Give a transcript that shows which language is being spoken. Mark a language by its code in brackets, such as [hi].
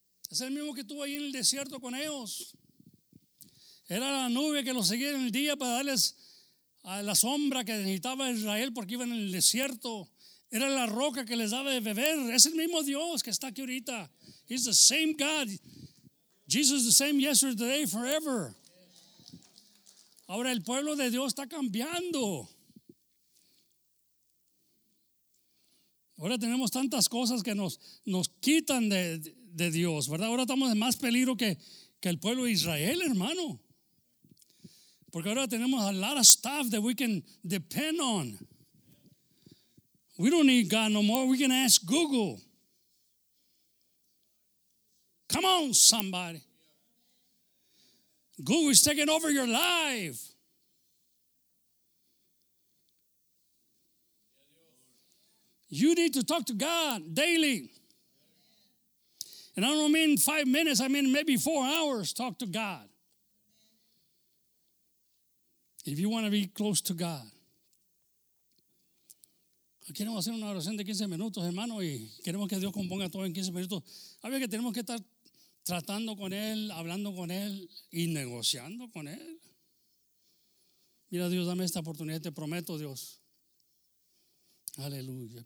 [es] Es el mismo que estuvo ahí en el desierto con ellos. Era la nube que los seguía en el día para darles a la sombra que necesitaba Israel porque iban en el desierto. Era la roca que les daba de beber. Es el mismo Dios que está aquí ahorita. [en] He's the same God. Jesus is the same yesterday, today, forever. [es] Ahora el pueblo de Dios está cambiando. Ahora tenemos tantas cosas que nos quitan de Dios, ¿verdad? Ahora estamos en más peligro que el pueblo de Israel, hermano. Porque ahora tenemos [en] a lot of stuff that we can depend on. We don't need God no more. We can ask Google. Come on, somebody. Google is taking over your life. You need to talk to God daily. And I don't mean 5 minutes, I mean maybe 4 hours. Talk to God. If you want to be close to God. [es] Queremos hacer una oración de 15 minutos, hermano, y queremos que Dios componga todo en 15 minutos. A ver, que tenemos que estar tratando con él, hablando con él y negociando con él. Mira, Dios, dame esta oportunidad, te prometo, Dios. Aleluya.